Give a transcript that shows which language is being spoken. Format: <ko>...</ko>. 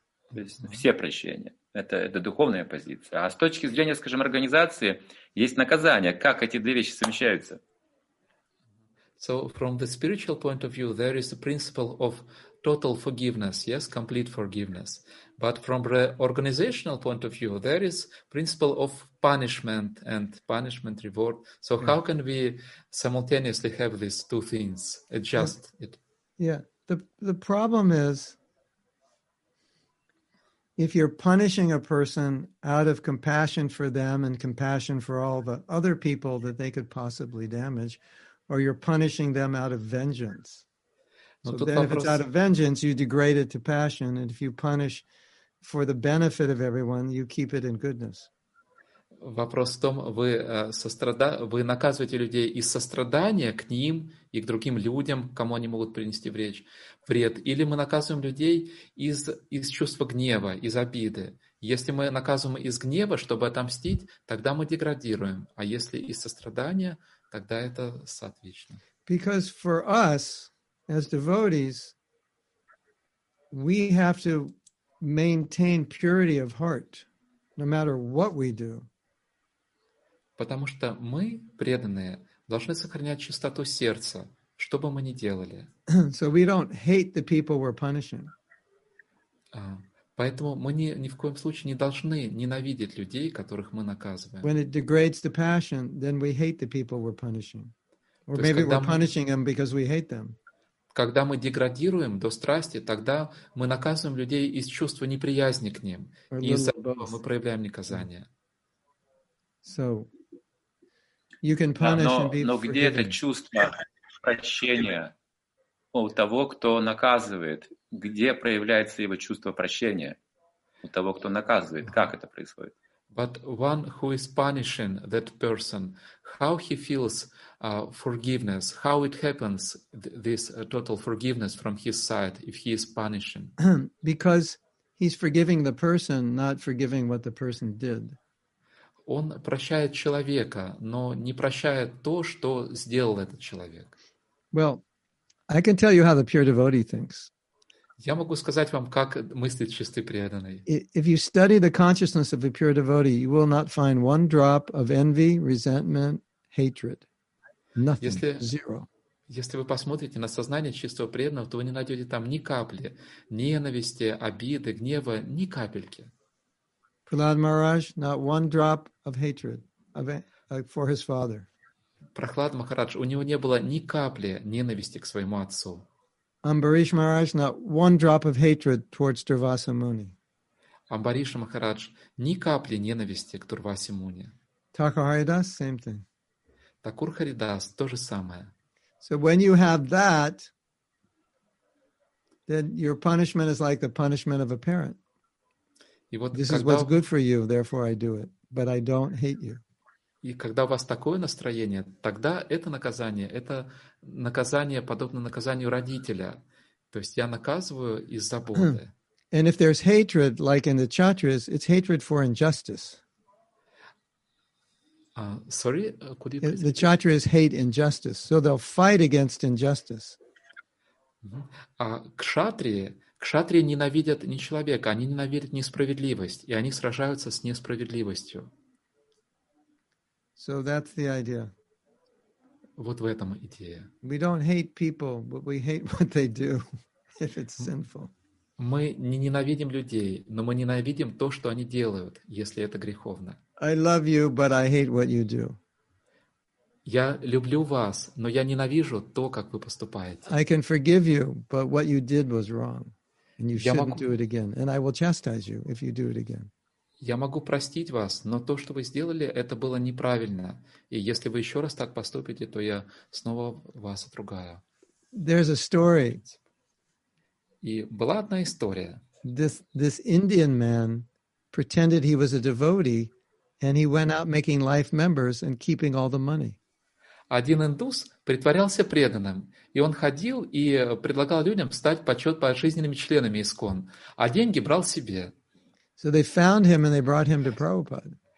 <ru>То есть все прощения. Это духовная позиция. А с точки зрения, скажем, организации, есть наказание. Как эти две вещи совмещаются?</ru> <en>So from the spiritual point of view, there is the principle of total forgiveness, yes, complete forgiveness. But from the organizational point of view, there is principle of punishment and punishment reward. So how can we simultaneously have these two things, adjust it? Yeah, the problem is if you're punishing a person out of compassion for them and compassion for all the other people that they could possibly damage, or you're punishing them out of vengeance. So then if it's out of vengeance, you degrade it to passion. And if you punish for the benefit of everyone, you keep it in goodness.</en> <ru>Вопрос в том, вы наказываете людей из сострадания к ним и к другим людям, кому они могут принести вред. Или мы наказываем людей из чувства гнева, из обиды. Если мы наказываем из гнева, чтобы отомстить, тогда мы деградируем. А если из сострадания, тогда это соответственно.</ru> <en>Because for us, as devotees, we have to maintain purity of heart, no matter what we do.</en> <ru>Потому что мы, преданные, должны сохранять чистоту сердца, что бы мы ни делали.</ru> <en>So we don't hate the people we're punishing.</en> <ru>Поэтому мы ни в коем случае не должны ненавидеть людей, которых мы наказываем.</ru> <en>When it degrades the passion, then we hate the people we're punishing. Or maybe we're punishing them because we hate them.</en> <ru>Когда мы деградируем до страсти, тогда мы наказываем людей из чувства неприязни к ним. И из-за этого мы проявляем наказание.</ru> <en>So, you can punish and be forgiven.</en> <ru>Но где это чувство прощения у того, кто наказывает? Где проявляется его чувство прощения у того, кто наказывает? Как это происходит?</ru> <en>But one who is punishing that person, how he feels forgiveness, how it happens, this total forgiveness from his side, if he is punishing? Because he's forgiving the person, not forgiving what the person did.</en> <ru>Он прощает человека, но не прощает то, что сделал этот человек.</ru> <en>Well, I can tell you how the pure devotee thinks.</en> <ru>Я могу сказать вам, как мыслит чистый преданный.</ru> <en>If you study the consciousness of a pure devotee, you will not find one drop of envy, resentment, hatred. Nothing. Zero.</en> <ru>Если вы посмотрите на сознание чистого преданного, то вы не найдете там ни капли ненависти, обиды, гнева, ни капельки.</ru> <en>Prahlad Maharaj, not one drop of hatred for his father.</en> <ru>Прохлад Махарадж, у него не было ни капли ненависти к своему отцу.</ru> <en>Амбариш Махарадж, not one drop of hatred towards Дурвасса Муни.</en> <ru>Амбариш Махарадж, ни капли ненависти к Дурвассе Муни.</ru> <en>Такур Харидас, same thing.</en> <ru>Такур Харидас, то же самое.</ru> <en>So when you have that, then your punishment is like the punishment of a parent.</en> <ru>Вот</ru> <en>this</en> <ru>когда...</ru> <en>is what's good for you, therefore I do it. But I don't hate you.</en> <ru>И когда у вас такое настроение, тогда это наказание подобно наказанию родителя. То есть я наказываю из заботы.</ru> <en>And if there's hatred, like in the chatras, it's hatred for injustice. Sorry, could you please... The chatras hate injustice, so they'll fight against injustice.</en> <ru>А кшатрии ненавидят не человека, они ненавидят несправедливость, и они сражаются с несправедливостью.</ru> <en>So that's the idea.</en> <ru>Вот в этом идея.</ru> <en>We don't hate people, but we hate what they do if it's sinful.</en> <ru>Мы не ненавидим людей, но мы ненавидим то, что они делают, если это греховно.</ru> <en>I love you, but I hate what you do.</en> <ru>Я люблю вас, но я ненавижу то, как вы поступаете.</ru> <en>I can forgive you, but what you did was wrong, and you shouldn't do it again. And I will chastise you if you do it again.</en> <ru>Я могу простить вас, но то, что вы сделали, это было неправильно. И если вы еще раз так поступите, то я снова вас отругаю.</ru> <en>There's a story.</en> <ru>И была одна история.</ru> <en>This Indian man pretended he was a devotee, and he went out making life members and keeping all the money.</en> <ru>Один индус притворялся преданным, и он ходил и предлагал людям стать почет пожизненными членами ИСККОН, а деньги брал себе.</ru> <en>So they found him and they brought him to Prabhupada.</en>